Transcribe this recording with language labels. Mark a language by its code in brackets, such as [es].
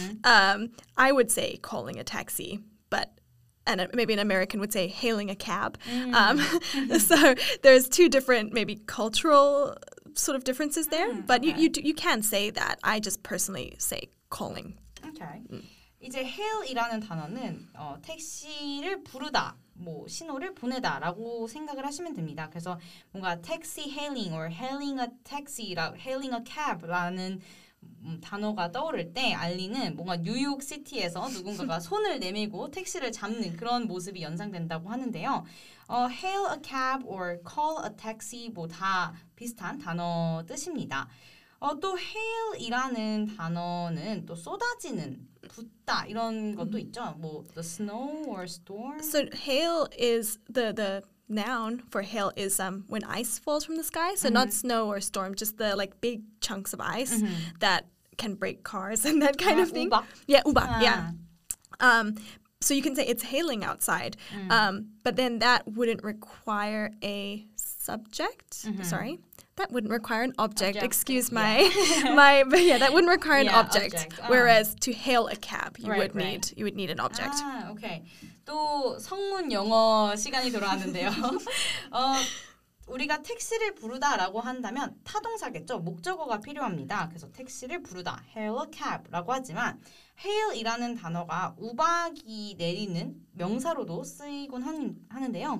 [en] I would say calling a taxi, but and maybe an American would say hailing a cab. So there's two different maybe cultural sort of differences there, but you can say that. I just personally say calling. Okay. [ko] 이제 hail이라는 단어는 택시를 부르다, 뭐 신호를 보내다 라고 생각을 하시면 됩니다. 그래서 뭔가 [en] taxi hailing or hailing a taxi, hailing a cab [ko] 라는 단어가 떠오를 때 알리는 뭔가 뉴욕 시티에서 누군가가 손을 내밀고 택시를 잡는 그런 모습이 연상된다고 하는데요. [en] Hail a cab or call a taxi [ko] 뭐 다 비슷한 단어 뜻입니다. 또 hail이라는 단어는 또 쏟아지는, 붓다 이런 것도 있죠. [en] 뭐 the snow or storm. So hail is the noun for hail is when ice falls from the sky. So mm-hmm. not snow or storm, just the like big chunks of ice mm-hmm. that can break cars and that kind of thing. [ko] 우박. [en] Yeah, 우박. Yeah. So you can say it's hailing outside. Mm. But then that wouldn't require a subject. Mm-hmm. Sorry. That wouldn't require an object. Excuse my, but yeah, that wouldn't require an object. Whereas to hail a cab, you would need an object. Ah, okay. [ko] 또 성문 영어 시간이 돌아왔는데요. 우리가 택시를 부르다라고 한다면 타동사겠죠. 목적어가 필요합니다. 그래서 택시를 부르다, [en] hail a cab [ko] 라고 하지만 hail이라는 단어가 우박이 내리는 명사로도 쓰이곤 하는데요.